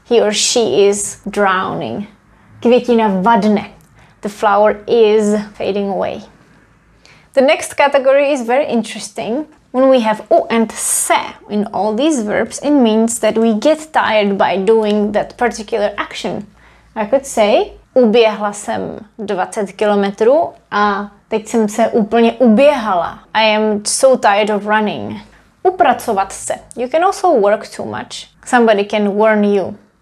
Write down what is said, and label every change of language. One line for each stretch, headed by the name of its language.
English: He or she is drowning.
Czech: Květina vadne.
English: The flower is fading away. The next category is very interesting. When we have u and se in all these verbs, it means that we get tired by doing that particular action. I could say,
Czech: uběhla jsem 20 kilometrů a teď jsem se úplně uběhala.
English: I am so tired of running. Upracovat se. You can also work too much. Somebody can warn you.